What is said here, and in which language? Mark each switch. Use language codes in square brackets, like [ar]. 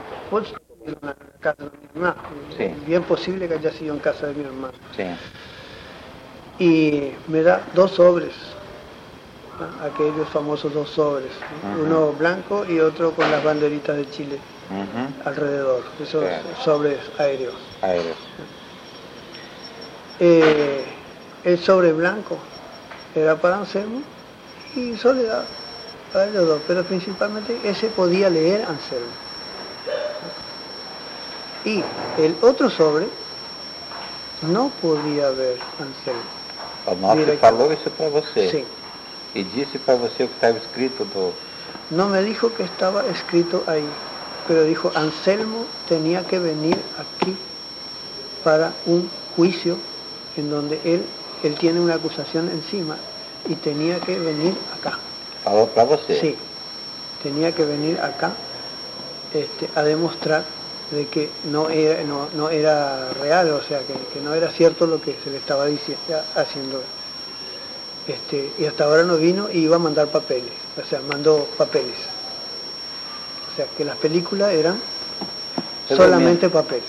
[pt] Pode ser na casa da minha irmã. Sim. Bem possível que haja sido em casa da minha irmã. Sim. E me dá dois sobres. [es] Aquellos famosos dos sobres, ¿no? Uh-huh. Uno blanco y otro con las banderitas de Chile uh-huh. alrededor, esos claro. sobres aéreos. Aéreos. El sobre blanco era para Anselmo y Soledad para los dos, pero principalmente ese podía leer Anselmo. Y el otro sobre no podía ver Anselmo. ¿Anofre habló eso para usted? Sí. [pt] E disse para você o que estava escrito do... Não me disse que estava escrito aí, mas disse Anselmo tinha que vir aqui para um juízo em onde ele tem uma acusação em cima e tinha que vir acá. Falou para você? Sim. Sí. Tinha que vir acá a demonstrar de que não era real, ou seja, que não era certo o que [es] se le estava haciendo. Y hasta ahora no vino y iba a mandar papeles, o sea, mandó papeles. O sea, que las películas eran solamente papeles.